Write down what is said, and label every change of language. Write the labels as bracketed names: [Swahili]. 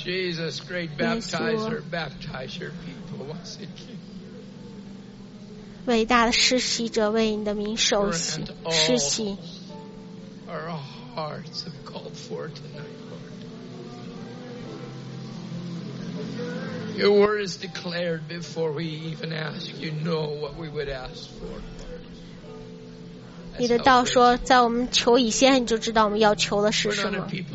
[English] Jesus, great baptizer, baptize your people once again. [Chinese] 伟大的施洗者为你的名受洗，施洗。 [English] Our hearts have called for tonight. Your word is declared before we even ask. You know what we would ask for. [Chinese] 你的道说，在我们求以先，你就知道我们要求的是什么。